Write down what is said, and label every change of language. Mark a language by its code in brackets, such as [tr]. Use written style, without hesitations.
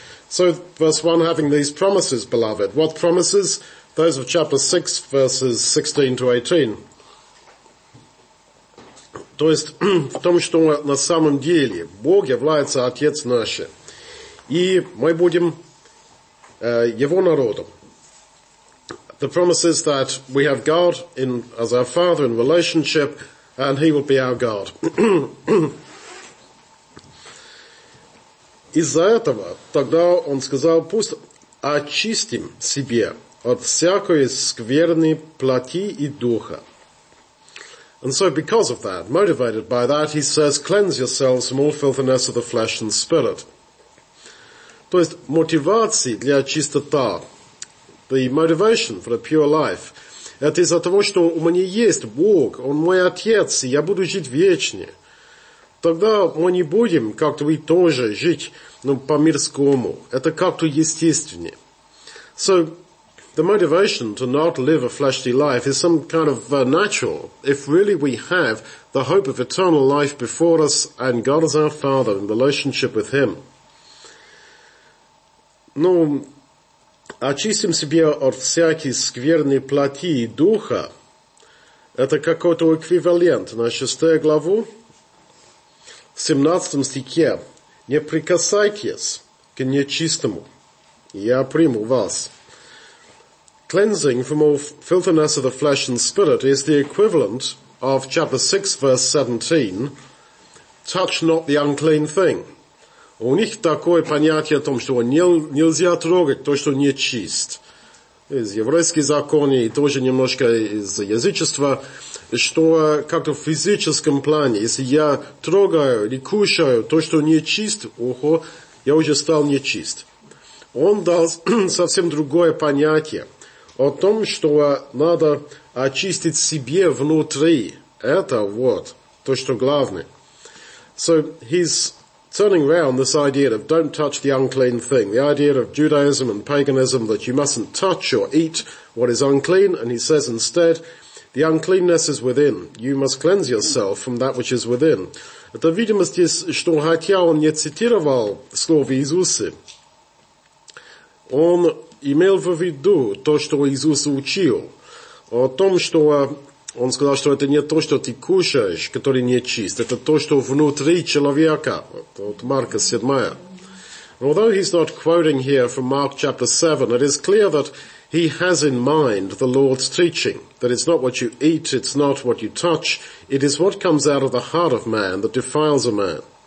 [en] So, verse 1, having these promises, beloved. What promises? Those of chapter 6, verses 16 to 18. [ru] То есть, в том, что на самом деле Бог является Отец наш. И мы будем Его народом. [en] The promise is that we have God in, as our Father in relationship, and He will be our God. [ru] Из-за этого тогда Он сказал, пусть очистим себе от всякой скверной плоти и духа. [en] And so because of that, motivated by that, he says, cleanse yourselves from all filthiness of the flesh and spirit. [ru] То есть мотивация для чистота, [en] the motivation for a pure life, [ru] это из-за того, что у меня есть Бог, Он мой Отец, и я буду жить вечно. Тогда мы не будем как-то и тоже жить, ну, по-мирскому. Это как-то естественнее. [en] So, the motivation to not live a fleshly life is some kind of natural, if really we have the hope of eternal life before us and God as our Father in relationship with Him. [ru] Ну, очистим себя от всякой скверной плоти и духа. Это какой-то эквивалент на 6 главу, 17 стихе. Не прикасайтесь к нечистому, я приму вас. [en] Cleansing from all filthiness of the flesh and spirit is the equivalent of chapter 6, verse 17, touch not the unclean thing. [ru] У них такое понятие о том, что нельзя трогать то, что нечист. Из еврейских законов и тоже немножко из язычества, что как-то в физическом плане, если я трогаю или кушаю то, что нечист, ухо, я уже стал нечист. Он дал совсем другое понятие. О том, что надо очистить себе внутри. Это вот то, что главное. [en] So he's turning around this idea of don't touch the unclean thing. The idea of Judaism and paganism that you mustn't touch or eat what is unclean. And he says instead, the uncleanness is within. You must cleanse yourself from that which is within. [ru] Это видимо, что хотя он не цитировал слово Иисуса, он имел в виду то, что Иисус учил, о том, что он сказал, что это не то, что ты кушаешь, который не чист, это то, что внутри человека. Вот Марка 7. [en] Although he's not quoting here from Mark chapter 7, it is clear that he has in mind the Lord's teaching, that it's not what you eat, it's not what you touch, it is what comes out of the heart of man that defiles a man.